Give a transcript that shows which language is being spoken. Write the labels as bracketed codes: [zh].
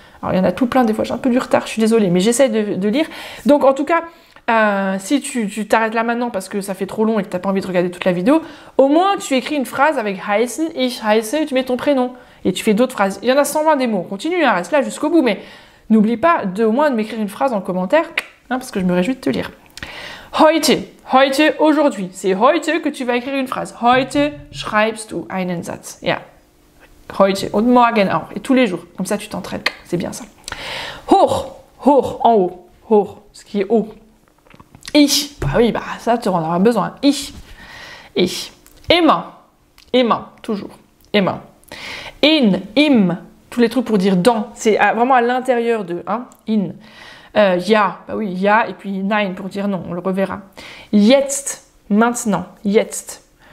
[fr] Alors, il y en a tout plein, des fois j'ai un peu du retard, je suis désolée, mais j'essaie de lire. Donc, en tout cas, si tu t'arrêtes là maintenant parce que ça fait trop long et que tu n'as pas envie de regarder toute la vidéo, au moins tu écris une phrase avec heißen, ich heiße, et tu mets ton prénom et tu fais d'autres phrases. Il y en a 120 des mots, continue, hein, reste là jusqu'au bout, mais n'oublie pas au moins de m'écrire une phrase en commentaire. Hein, parce que je me réjouis de te lire. Heute, heute, aujourd'hui. C'est heute que tu vas écrire une phrase. [de] Heute schreibst du einen Satz. Ja. Heute und morgen auch. [fr] Et tous les jours. Comme ça, tu t'entraînes. C'est bien ça. Hoch, hoch, en haut. Hoch, ce qui est haut. Ich, bah oui, bah ça, tu en auras besoin. [de] Ich. Ich. Immer. Immer, toujours. Immer. In, im. [fr] Tous les trucs pour dire dans. C'est vraiment à l'intérieur de. Hein, in. Ja, bah oui, ja, et puis nein pour dire non, on le reverra. Jetzt, maintenant, jetzt.